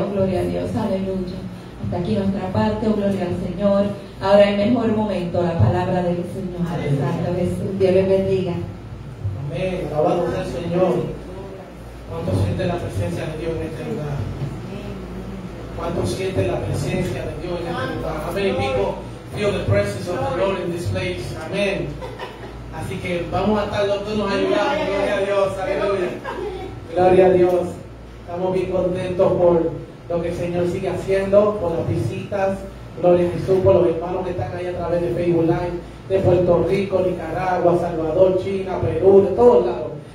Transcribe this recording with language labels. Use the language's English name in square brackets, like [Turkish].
[Spanish] Oh, gloria a Dios, aleluya. Hasta aquí nuestra parte, oh, gloria al Señor. Ahora el mejor momento, la palabra del Señor. Santo Jesús, Dios le bendiga. Amén, alabado sea el Señor. ¿Cuánto siente la presencia de Dios en este lugar? ¿Cuánto siente la presencia de Dios en este lugar? Amén, amigo. [English] Feel the presence of the Lord in this place. [Spanish] Amén. Así que vamos a estar los dos, nos ayudamos. Gloria a Dios, aleluya. Gloria a Dios. Estamos bien contentos por lo que el Señor sigue haciendo, por las visitas. Gloria a Jesús, por los hermanos que están ahí a través de Facebook Live, de Puerto Rico, Nicaragua, Salvador, China, Perú, de todos lados.